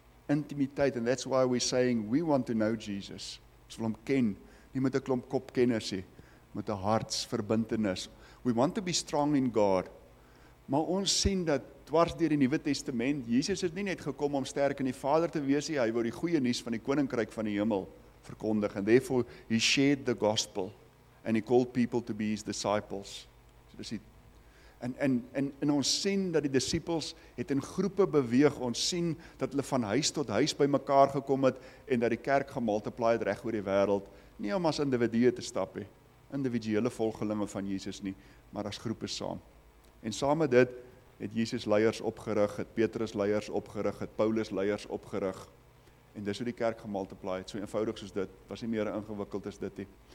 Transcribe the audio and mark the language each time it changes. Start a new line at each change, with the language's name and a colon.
English: Intimiteit, and that's why we're saying we want to know Jesus.
Afrikaans: Ons wil hom ken, nie met 'n klomp kopkennis nie, met 'n hartsverbintenis.
English: We want to be strong in God.
Afrikaans: Maar ons sien dat dwars deur die Nuwe Testament, Jesus het nie net gekom om sterk in die Vader te wees nie, hy wou die goeie nuus van die koninkryk van die hemel verkondig,
English: and therefore he shared the gospel and he called people to be his disciples.
Afrikaans: So dis en ons sien dat die disippels het in groepe beweeg. Ons sien dat hulle van huis tot huis by mekaar gekom het en dat die kerk gemultiply het reg oor die wêreld, nie om as individue te stap nie, individuele volgelinge van Jesus nie, maar as groepe saam. En saam met dit het Jesus leiers opgerig, het Petrus leiers opgerig, het Paulus leiers opgerig. En dis hoe die kerk gemultiply het, so eenvoudig soos dit, was nie meer ingewikkeld as dit nie.